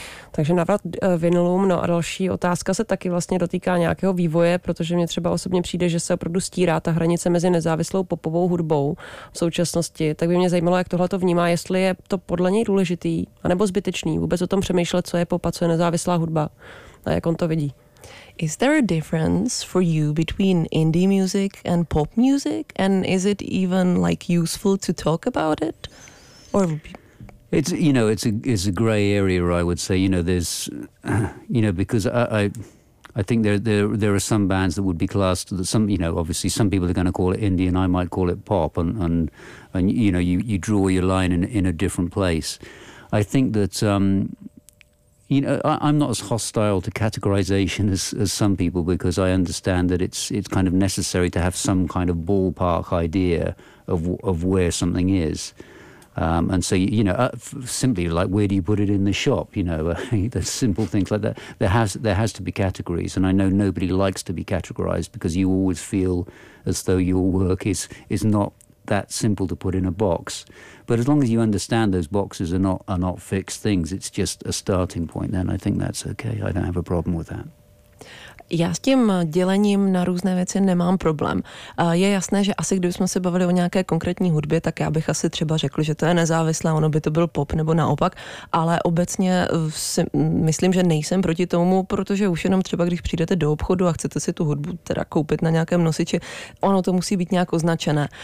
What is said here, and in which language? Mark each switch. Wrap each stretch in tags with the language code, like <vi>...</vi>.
<cs>Takže navrat vinylům, no a další otázka se taky vlastně dotýká nějakého vývoje, protože mě třeba osobně přijde, že se opravdu stírá ta hranice mezi nezávislou popovou hudbou v současnosti. Tak by mě zajímalo, jak tohle to vnímá, jestli je to podle něj důležitý anebo zbytečný vůbec o tom přemýšlet, co je pop a co je nezávislá hudba, a jak on to vidí.</cs> <en>Is there a difference for you between indie music and pop music, and is it even like useful to talk about it? Or it's, you know, it's a grey area, I would say. You know, there's, you know, because I think there are some bands that would be classed, that some, you know, obviously some people are going to call it indie and I might call it pop, and you know, you draw your line in a different place. I think that you know, I'm not as hostile to categorization as some people, because I understand that it's kind of necessary to have some kind of ballpark idea of where something is. And so, you know, simply like, where do you put it in the shop? You know, the simple things like that. There has to be categories, and I know nobody likes to be categorized, because you always feel as though your work is not that simple to put in a box. But as long as you understand those boxes are not fixed things, it's just a starting point, then I think that's okay. I don't have a problem with that.</en> <cs>Já s tím dělením na různé věci nemám problém. Je jasné, že asi kdybychom se bavili o nějaké konkrétní hudbě, tak já bych asi třeba řekl, že to je nezávislé, ono by to byl pop nebo naopak, ale obecně si myslím, že nejsem proti tomu, protože už jenom třeba, když přijdete do obchodu a chcete si tu hudbu teda koupit na nějakém nosiči, ono to musí být nějak označené.</cs>